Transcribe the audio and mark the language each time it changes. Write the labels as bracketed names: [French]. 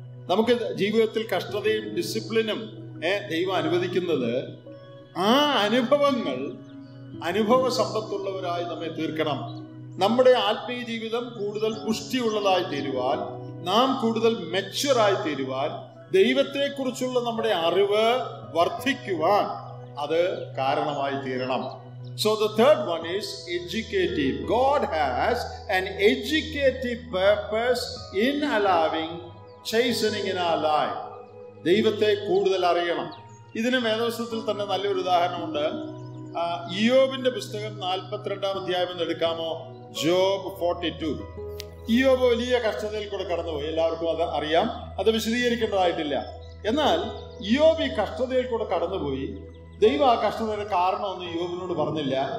[Malayalam] നമുക്ക് ജീവിതത്തിൽ കഷ്ടതയും ഡിസിപ്ലിനും ദൈവം അനുവദിക്കുന്നത് ആ അനുഭവങ്ങൾ അനുഭവ സമ്പത്തുള്ളവരായി നമ്മെ തീർക്കണം. നമ്മുടെ ആത്മീയ ജീവിതം കൂടുതൽ പുഷ്ടിയുള്ളതായി തീരുവാൻ, നാം കൂടുതൽ മെച്യൂറായി തീരുവാൻ, ദൈവത്തെക്കുറിച്ചുള്ള നമ്മുടെ അറിവ് വർദ്ധിക്കുവാൻ അത് കാരണമായി തീരണം. [English] So the third one is educative. God has an educative purpose in allowing chastening in our life. [Malayalam] ദൈവത്തെ കൂടുതൽ അറിയണം. ഇതിന് വേദവസ്തുത്തിൽ തന്നെ നല്ലൊരു ഉദാഹരണമുണ്ട്. ഇയോബിന്റെ പുസ്തകം 42 എന്ന് എടുക്കാമോ? Job 42. ഇയോബ് വലിയ കഷ്ടതയിൽ കൂടെ കടന്നുപോയി, എല്ലാവർക്കും അത് അറിയാം, അത് വിശദീകരിക്കേണ്ടതായിട്ടില്ല. എന്നാൽ ഇയോബ് ഈ കഷ്ടതയിൽ കൂടെ കടന്നുപോയി, ദൈവം ആ കഷ്ടതയുടെ കാരണമൊന്നും യോബിനോട് പറഞ്ഞില്ല.